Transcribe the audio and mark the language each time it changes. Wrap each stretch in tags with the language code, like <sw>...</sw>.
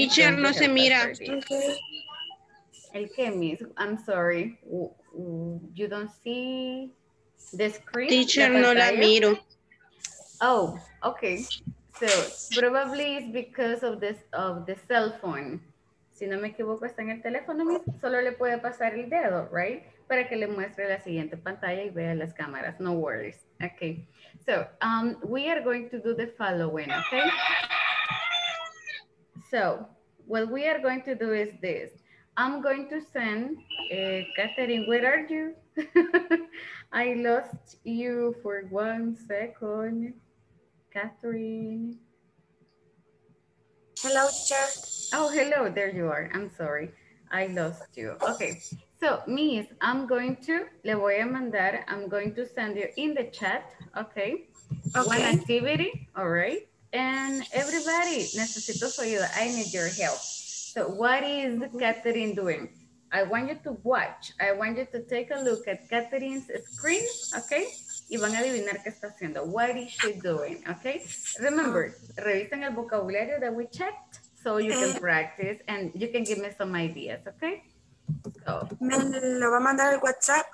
<es>Teacher, no se mira. El que,</es> <en>miss, I'm sorry. You don't see the screen?</en> <es>Teacher, no la miro.</es> <en>Oh, okay. So probably it's because of this of the cell phone.</en> <es>Si no me equivoco, está en el teléfono, solo le puede pasar el dedo, right? Para que le muestre la siguiente pantalla y vea las cámaras.</es> <en>No worries. Okay. So, we are going to do the following, okay? So, what we are going to do is this. I'm going to send, Catherine, where are you? I lost you for 1 second. Catherine. Hello, teacher. Oh, hello. There you are. I'm sorry. I lost you. Okay. So, Miss, I'm going to,</en> <es>le voy a mandar,</es> <en>I'm going to send you in the chat, okay? Okay. One activity, all right? And everybody,</en> <es>necesito su ayuda.</es> <en>I need your help. So, what is Catherine doing? I want you to watch. I want you to take a look at Catherine's screen, okay?</en> <es>Y van a adivinar qué está haciendo.</es> <en>What is she doing? Okay. Remember,</en> <es>revisen el vocabulario</es> <en>that we checked so you can practice and you can give me some ideas, okay?</en> <es>So, ¿me lo va a mandar al WhatsApp?</es>